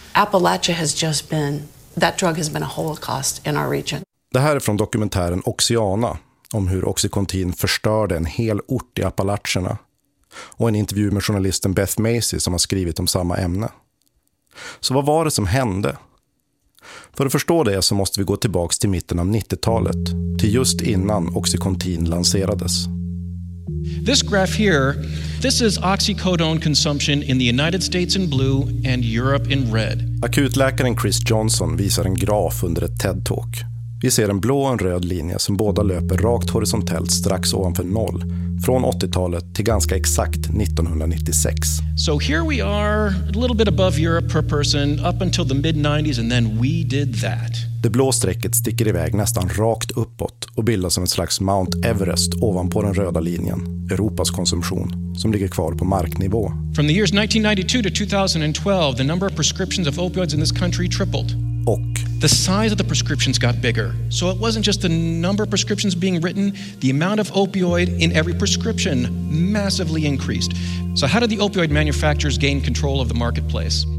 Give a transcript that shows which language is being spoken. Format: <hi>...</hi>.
<en>Appalachia has just been, that drug has been a holocaust in our region.</en> <sv>Det här är från dokumentären Oxiana om hur Oxycontin förstörde en hel ort i Appalacherna. Och en intervju med journalisten Beth Macy som har skrivit om samma ämne. Så vad var det som hände? För att förstå det så måste vi gå tillbaka till mitten av 90-talet, till just innan Oxycontin lanserades.</sv> <en>This graph here, this is oxycodone consumption in the United States in blue and Europe in red.</en> <sv>Akutläkaren Chris Johnson visar en graf under ett TED-talk. Vi ser en blå och en röd linje som båda löper rakt horisontellt strax ovanför noll, från 80-talet till ganska exakt 1996.</sv> <en>So here we are, a little bit above Europe per person, up until the mid-90s, and then we did that.</en> <sv>Det blå strecket sticker iväg nästan rakt uppåt och bildas som en slags Mount Everest ovanpå den röda linjen, Europas konsumtion, som ligger kvar på marknivå.</sv> <en>From the years 1992 to 2012, the number of prescriptions of opioids in this country tripled.</en> <sv>Och</sv> <en>the size of the prescriptions got bigger. So it wasn't just the number of prescriptions being written, the amount of opioid in every prescription massively increased. So how did the opioid manufacturers gain control of the marketplace?</en>